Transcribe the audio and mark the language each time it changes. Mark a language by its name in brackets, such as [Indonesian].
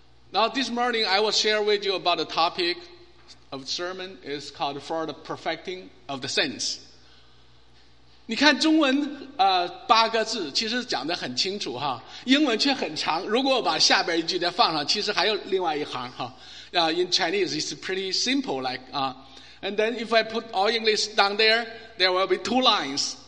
[English] Now this morning I will share with you about the topic of sermon is called For the Perfecting of the Saints. [Chinese] 你看中文八个字其实讲得很清楚哈，英文却很长，如果我把下边一句再放上，其实还有另外一行哈。 [English] In Chinese it's pretty simple and then if I put all English down there, there will be two lines.